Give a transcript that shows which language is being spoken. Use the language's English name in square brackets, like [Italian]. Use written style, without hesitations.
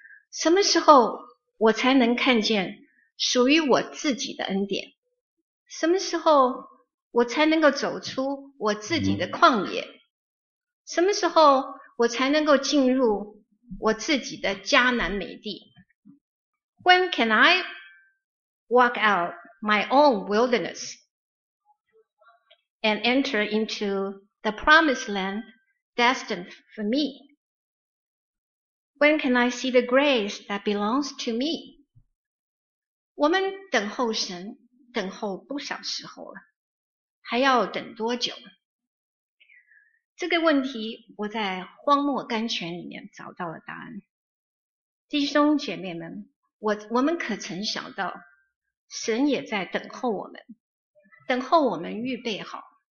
[Chinese] 什么时候我才能看见属于我自己的恩典？什么时候我才能够走出我自己的旷野？什么时候我才能够进入我自己的迦南美地？ [English] When can I walk out my own wilderness and enter into the promised land destined for me? When can I see the grace that belongs to me? [Chinese] 我们等候神，等候不少时候了，还要等多久？这个问题我在荒漠甘泉里面找到了答案。弟兄姐妹们，我们可曾想到神也在等候我们，等候我们预备好。